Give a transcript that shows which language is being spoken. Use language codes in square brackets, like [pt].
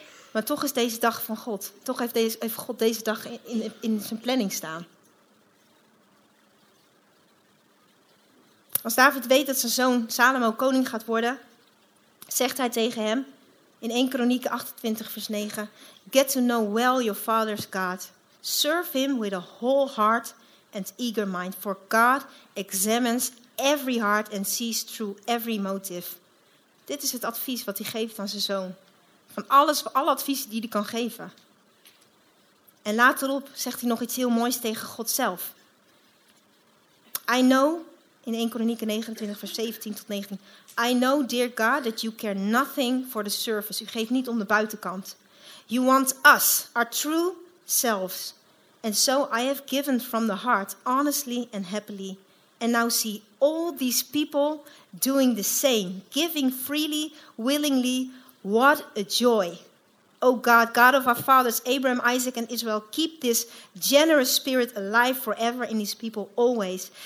[nl] Maar toch is deze dag van God. Toch heeft God deze dag in zijn planning staan. Als David weet dat zijn zoon Salomo koning gaat worden, zegt hij tegen hem in 1 Kronieken 28 vers 9. [en] Get to know well your father's God. Serve him with a whole heart and eager mind. For God examines every heart and sees through every motive. [nl] Dit is het advies wat hij geeft aan zijn zoon. Van alles, alle adviezen die hij kan geven. En laterop zegt hij nog iets heel moois tegen God zelf. [en] I know, [nl] in 1 Kronieken 29 vers 17 tot 19. [en] I know, dear God, that you care nothing for the surface. [nl] U geeft niet om de buitenkant. [en] You want us, our true selves. And so I have given from the heart, honestly and happily. And now see all these people doing the same, giving freely, willingly. What a joy. O God, God of our fathers, Abraham, Isaac and Israel, keep this generous spirit alive forever in these people always.